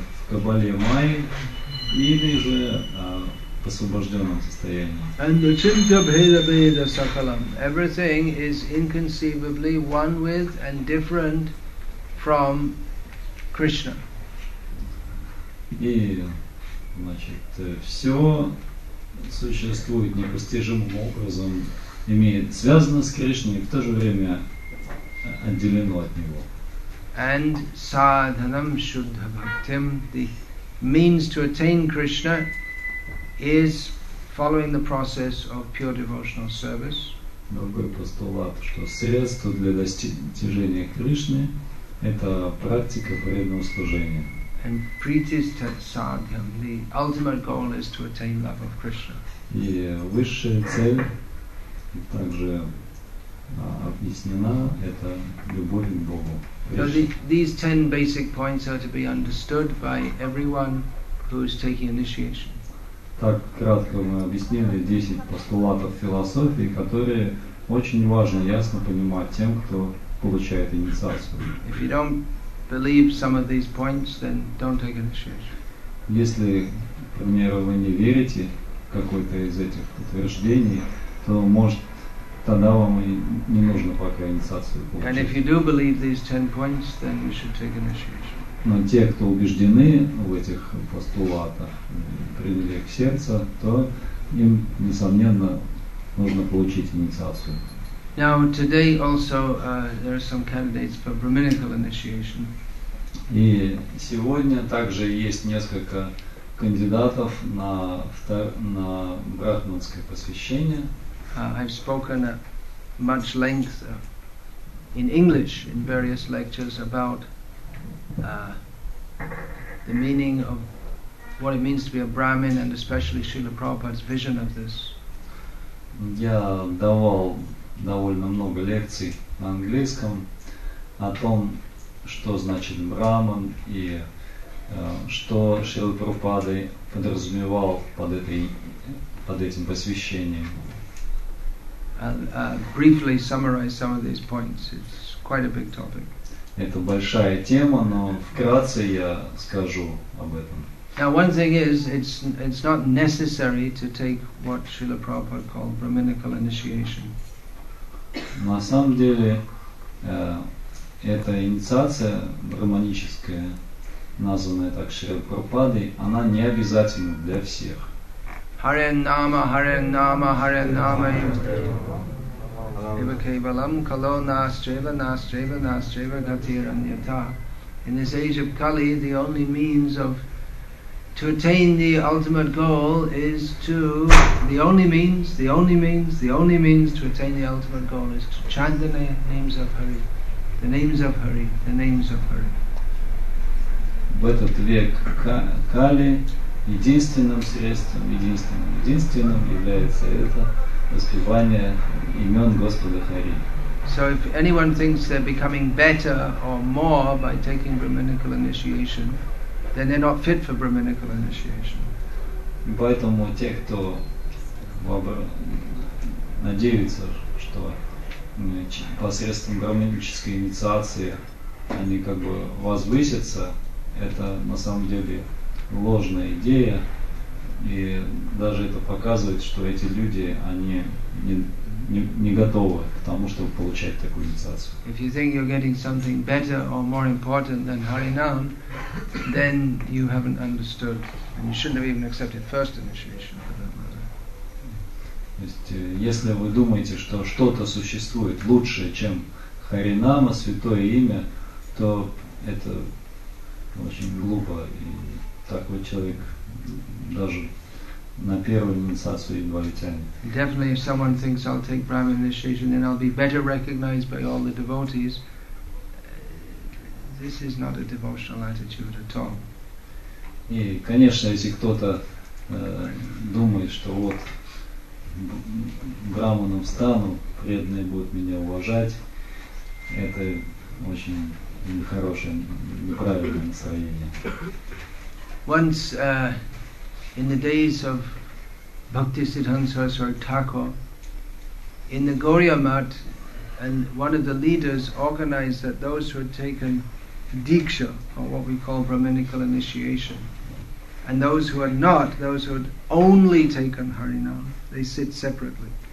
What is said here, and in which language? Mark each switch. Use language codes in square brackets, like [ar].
[ru] В кабале майи или же в освобожденном состоянии. [sa] And the chinta bheda bheda sakalam. [en] Everything is inconceivably one with and different from Krishna. [ru] И, значит, все существует непостижимым образом, имеет связанность с Кришной и в то же время отделено от него. [en] And [sa] sadhanam shuddha bhaktim, [en] the means to attain Krishna is following the process of pure devotional service. [ru] Другой постулат, что средство для достижения Кришны — это практика преданного служения. [en] And [sa] pritisthat sadhyam, [en] the ultimate goal is to attain love of Krishna. [ru] И высшая цель также объяснена — это любовь к Богу. [en] So these 10 basic points are to be understood by everyone who is taking initiation. [ru] Так кратко мы объяснили 10 постулатов философии, которые очень важно ясно понимать тем, кто получает инициацию. [en] If you don't believe some of these points, then don't take initiation. [ru] Если, к примеру, вы не верите в какое-то из этих утверждений, то, может, тогда вам и не нужно пока инициацию получать. [en] And if you do believe these 10 points, then you should take initiation. [ru] Но те, кто убеждены в этих постулатах, приняли к сердцу, то им, несомненно, нужно получить инициацию. [en] Now, today also there are some candidates for brahminical initiation. [ru] И сегодня также есть несколько кандидатов на брахманское посвящение. [en] I've spoken at much length in English in various lectures about the meaning of what it means to be a Brahmin, and especially Srila Prabhupada's vision of this. [ru] Я давал довольно много лекций на английском о том, что значит Брахман и что Шрила Прабхупада подразумевал под этим посвящением. [en] Briefly summarize some of these points. It's quite a big topic. [ru] Это большая тема, но вкратце я скажу об этом. [en] Now, one thing is, it's not necessary to take what Srila Prabhupada called brahminical initiation. [ru] На самом деле, эта инициация брахманическая, названная так Шрила Прабхупадой, она не обязательна для всех. [sa] Hare Nama, Hare Nama, Hare Nama, Eva Kevalam, Kalo Nasceva, Nasceva, Nasceva, Gatir Anyata. [en] In this age of Kali, the only means of to attain the ultimate goal is to, the only means to attain the ultimate goal is to chant the names of Hari, the names of Hari, the names of Hari. [ru] В этот век Кали единственным средством, единственным является это воспевание имен Господа Хари. [en] So if anyone thinks they're becoming better or more by taking brahminical initiation, then they're not fit for brahminical initiation. [ru] Поэтому те, кто надеются, что посредством брахманической инициации они как бы возвысятся, это на самом деле ложная идея, и даже это показывает, что эти люди, они не готовы к тому, чтобы получать такую инициацию. [en] If you think you're getting something better or more important than Harinam, then you haven't understood, and you shouldn't have even accepted first initiation. [ru] То есть, если вы думаете, что что-то существует лучше, чем Харинама, святое имя, то это очень глупо, и такой человек даже на первую инициацию едва ли тянет. [en] Definitely, if someone thinks I'll take Brahmin initiation, then I'll be better recognized by all the devotees, this is not a devotional attitude at all. [ru] И, конечно, если кто-то думает, что вот Браманом стану, преданные будут меня уважать, это очень нехорошее, неправильное настроение. [en] Once in the days of Bhaktisiddhanta Saraswati Thakur, in the Gauriya Math, and one of the leaders organized that those who had taken Diksha, or what we call Brahminical initiation, and those who are not, those who had only taken Harinam, they sit separately.